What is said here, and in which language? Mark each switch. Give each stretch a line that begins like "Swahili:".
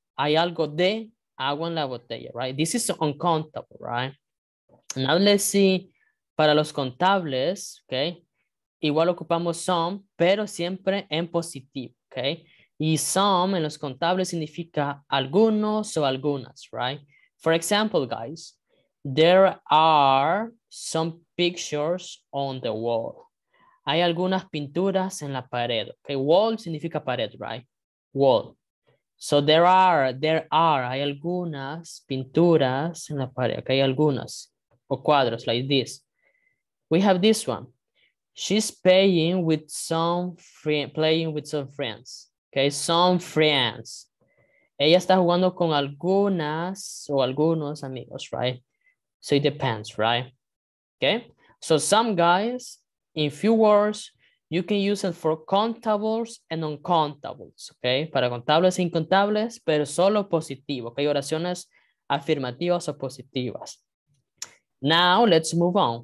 Spanish: Hay algo de agua en la botella, right?
English: This is uncountable, right?
Spanish: Now let's see, para los contables, okay, igual ocupamos some, pero siempre en positivo, okay, y some en los contables significa algunos o algunas, right?
English: For example, guys, there are some pictures on the wall.
Spanish: Hay algunas pinturas en la pared, okay, wall significa pared, right? Wall.
English: So there are,
Spanish: hay algunas pinturas en la pared, okay, algunas.
English: Or cuadros like this. We have this one. She's playing with some friends. Okay, some friends.
Spanish: Ella está jugando con algunas o algunos amigos, right?
English: So it depends, right? Okay. So some guys, in few words, you can use it for countables and non-countables.
Spanish: Okay, para contables e incontables, pero solo positivo.
English: Okay,
Spanish: oraciones afirmativas o positivas.
English: Now let's move on.